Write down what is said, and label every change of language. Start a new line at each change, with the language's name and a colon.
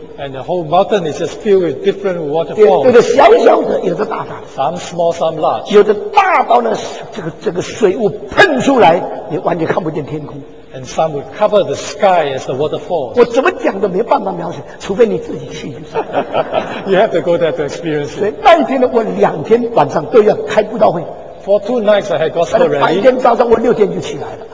English: And the whole mountain is just filled with different waterfalls.
Chinese: 有的小小的，有的大大的。
English: Some small, some large.
Chinese: 有的大到呢，这个水雾喷出来，你完全看不见天空。
English: And some would cover the sky as the waterfalls.
Chinese: 我怎么讲都没办法描写，除非你自己去。
English: You have to go there to experience it.
Chinese: 所以那一天呢，我2天晚上都要开布道会。
English: For 2 nights, I had gospel ready.
Chinese: 白天早上我6点就起来了。